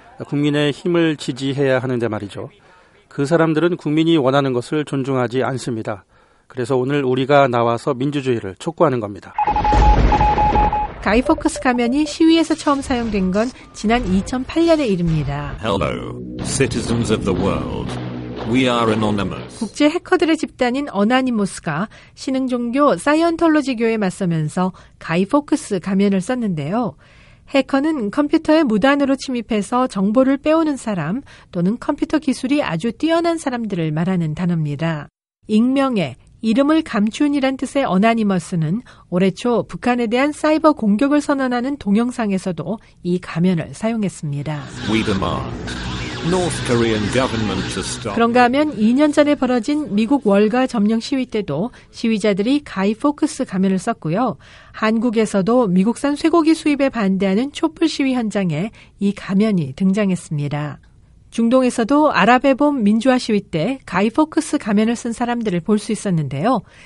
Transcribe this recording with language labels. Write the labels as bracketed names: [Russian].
[Korean] 국민의 힘을 지지해야 하는데 말이죠. 그 사람들은 국민이 원하는 것을 존중하지 않습니다. 그래서 오늘 우리가 나와서 민주주의를 촉구하는 겁니다. 가이 포크스 가면이 시위에서 처음 사용된 건 지난 2008년의 일입니다. [English] Hello, citizens of the world. We are anonymous. [Korean] 국제 해커들의 집단인 어나니모스가 신흥종교 사이언톨로지 교회에 맞서면서 가이 포크스 가면을 썼는데요. 해커는 컴퓨터에 무단으로 침입해서 정보를 빼오는 사람 또는 컴퓨터 기술이 아주 뛰어난 사람들을 말하는 단어입니다. 익명의, 이름을 감춘이란 뜻의 어나니머스는 올해 초 북한에 대한 사이버 공격을 선언하는 동영상에서도 이 가면을 사용했습니다. [English] We demand North Korean government to stop. [Korean] 그런가 하면 2년 전에 벌어진 미국 월가 점령 시위 때도 시위자들이 가이 포크스 가면을 썼고요. 한국에서도 미국산 쇠고기 수입에 반대하는 촛불 시위 현장에 이 가면이 등장했습니다. 중동에서도 아랍의 봄 민주화 시위 때 가이 포크스 가면을 쓴 사람들을 볼 수 있었는데요.